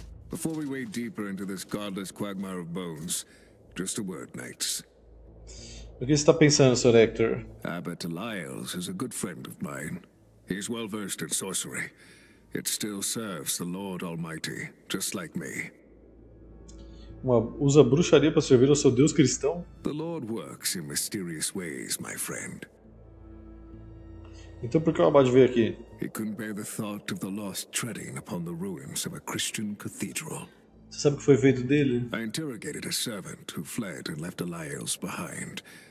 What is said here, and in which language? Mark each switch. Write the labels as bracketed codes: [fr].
[en] Before we wade deeper into this godless quagmire of bones, just a word, knights. [pt] O que você está pensando, Sr. Hector? [en] Abbot Lyles is a good friend of mine. He's well versed in sorcery. It still serves the Lord Almighty, just like me. [pt] Usa bruxaria para servir ao seu Deus cristão? [en] The Lord works in mysterious ways, my friend. [pt] Então por que o abade veio aqui? [en] He couldn't bear the thought of the lost treading upon the ruins of a Christian cathedral. [pt] Você sabe o que foi feito dele? [en] I interrogated a servant who fled and left Elias behind.